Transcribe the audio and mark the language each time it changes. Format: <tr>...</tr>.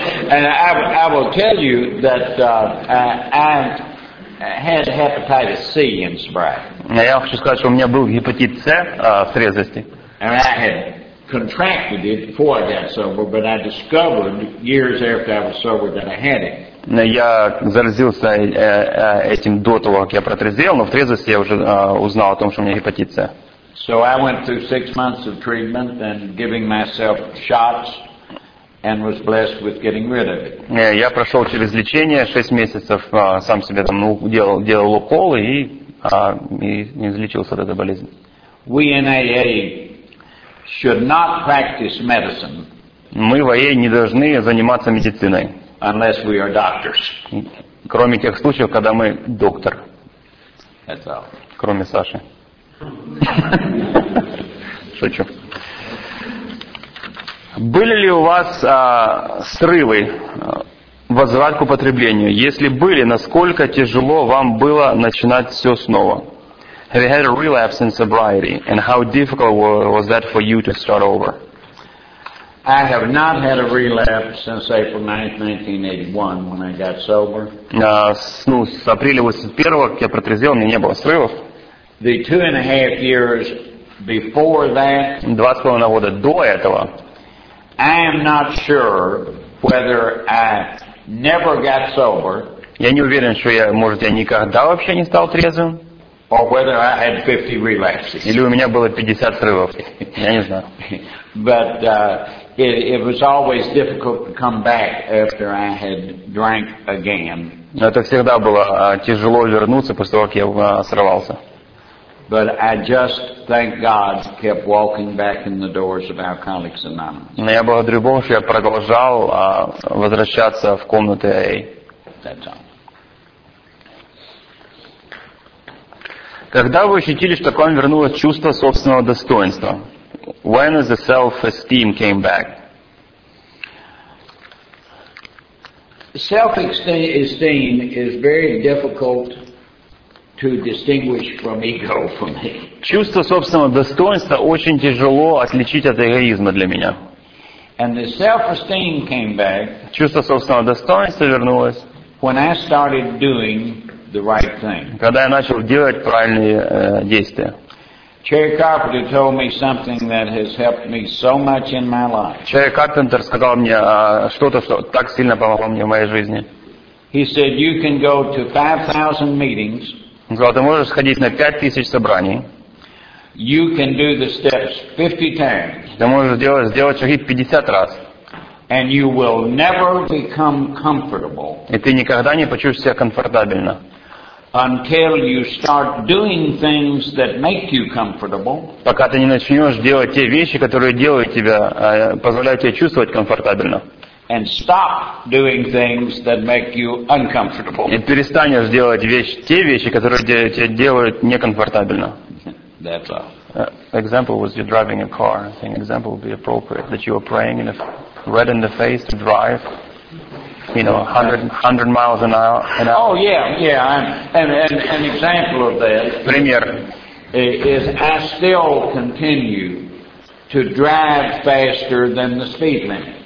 <en>And I will tell you that I had hepatitis C in sobriety.</en> <ru>Я хочу сказать, что у меня был гепатит С в трезвости.</ru> <en>And I had contracted it before I got sober, but I discovered years after I was sober that I had it.</en> <ru>Но я заразился этим до того, как я протрезвел, но в трезвости я уже узнал о том, что у меня гепатит С.</ru> <en>So I went through 6 months of treatment and giving myself shots. And was blessed with getting rid of it.</en> <ru>Я прошел через лечение 6 месяцев, сам себе там делал уколы и излечился от этой болезни.</ru> <en>We in AA should not practice medicine.</en> <ru>Мы в АА не должны заниматься медициной.</ru> <en>Unless we are doctors.</en> <ru>Кроме тех случаев, когда мы доктор.</ru> <en>That's all.</en> <ru>Кроме Саши. Шучу. Были ли у вас срывы, возврат к употреблению? Если были, насколько тяжело вам было начинать все снова?</ru> <en>Have you had a relapse in sobriety? And how difficult was that for you to start over? I have not had a relapse since April 9, 1981, when I got sober.</en> <ru>С апреля 81-го, как я протрезвел, у меня не было срывов.</ru> <en>The 2.5 years before that...</en> <ru>2.5 года до этого...</ru> <en>I am not sure whether I never got sober.</en> <ru>Я не уверен, что я никогда вообще не стал трезвым.</ru> <en>Or whether I had 50 relapses.</en> <ru>Или у меня было 50 срывов. Я не знаю.</ru> <en>But it was always difficult to come back after I had drank again.</en> <ru>Но это всегда было тяжело вернуться после того, как я срывался.</ru> <en>But I just thank God kept walking back in the doors of Alcoholics Anonymous.</en> <ru>Но я благодарю Бога, что я продолжал возвращаться в комнаты АА.</ru> <en>That's all.</en> <ru>Когда вы ощутили, что к вам вернулось чувство собственного достоинства?</ru> <en>When the self-esteem came back? Self-esteem is very difficult to distinguish from ego for me.</en> <ru>Чувство собственного достоинства очень тяжело отличить от эгоизма для меня.</ru> <en>And the self-esteem came back.</en> <ru>Чувство собственного достоинства вернулось.</ru> <en>When I started doing the right thing.</en> <ru>Когда я начал делать правильные действия.</ru> <en>Cherry Carpenter told me something that has helped me so much in my life.</en> <ru>Cherry Carpenter сказал мне что-то, что так сильно помогло мне в моей жизни.</ru> <en>He said you can go to 5,000 meetings.</en> <ru>Он сказал, ты можешь сходить на 5000 собраний.</ru> <en>You can do the steps 50 times.</en> <ru>Ты можешь сделать шаги 50 раз.</ru> <en>And you will never become comfortable.</en> <ru>И ты никогда не почувствуешь себя комфортабельно.</ru> <en>Until you start doing things that make you comfortable.</en> <ru>Пока ты не начнешь делать те вещи, которые делают тебя, позволяют тебе чувствовать комфортабельно.</ru> <en>And stop doing things that make you uncomfortable.</en> <ru>И перестанешь делать те вещи, которые тебя делают некомфортабельно.</ru> <en>That's all. Example was you driving a car. I think example would be appropriate that you were praying in a red in the face to drive. You know, 100 miles an hour. Oh yeah. And an example of that.</en> <ru>Пример.</ru> <en>Is I still continue to drive faster than the speed limit.</en>